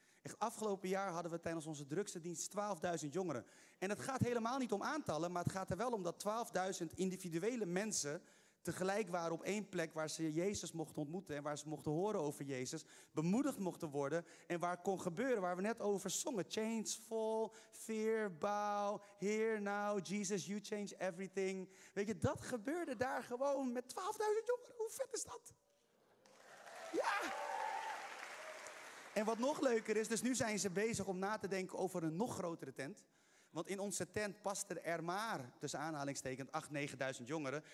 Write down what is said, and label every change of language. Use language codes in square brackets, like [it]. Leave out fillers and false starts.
[nl] Echt, afgelopen jaar hadden we tijdens onze drukste dienst 12.000 jongeren. En het gaat helemaal niet om aantallen, maar het gaat er wel om dat 12.000 individuele mensen tegelijk waren op één plek waar ze Jezus mochten ontmoeten en waar ze mochten horen over Jezus, bemoedigd mochten worden en waar het kon gebeuren, waar we net over zongen. [en] Change fall, fear bow, here now, Jesus, you change everything. [nl] Weet je, dat gebeurde daar gewoon met 12.000 jongeren. Hoe vet is dat? Ja! En wat nog leuker is, dus nu zijn ze bezig om na te denken over een nog grotere tent. Want in onze tent paste er maar, tussen aanhalingstekens, 8.000-9.000 jongeren.